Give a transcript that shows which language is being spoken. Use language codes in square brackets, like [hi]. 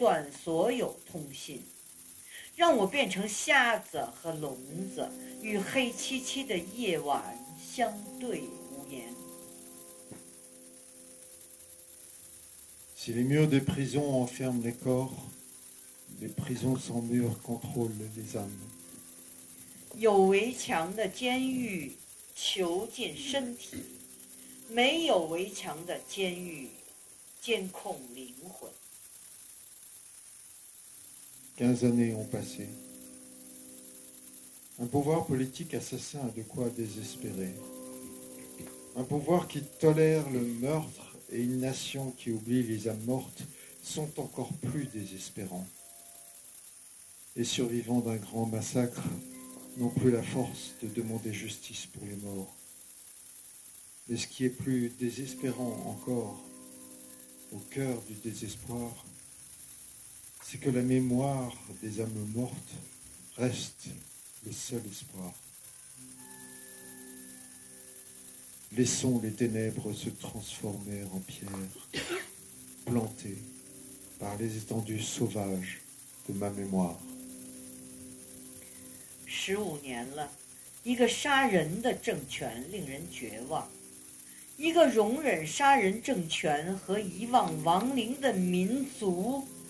[zh] 从血腥的屠杀到严密的监控，那个夜晚的恐怖从来没有离开半步。抄家过后是手铐，手铐过后是监狱，监狱过后是家门口的岗亭，贴身的跟踪，盘查来我家的客人，窃听电话，偷窥邮件，切断所有通信。让我变成瞎子和聋子，与黑漆漆的夜晚相对无言。 [fr] Si les murs des prisons enferment les corps, les prisons sans murs contrôlent les âmes. [zh] 有围墙的监狱囚禁身体，没有围墙的监狱监控灵魂。 [fr] 15 années ont passé. Un pouvoir politique assassin a de quoi désespérer. Un pouvoir qui tolère le meurtre et une nation qui oublie les âmes mortes sont encore plus désespérants. Les survivants d'un grand massacre n'ont plus la force de demander justice pour les morts. Mais ce qui est plus désespérant encore, au cœur du désespoir, c'est que la mémoire des âmes mortes reste le seul espoir. Laissons les ténèbres se transformer en pierres, plantées par les étendues sauvages de ma mémoire. [zh] 15年了，一个杀人的政权令人绝望，一个容忍杀人政权和遗忘亡灵的民族。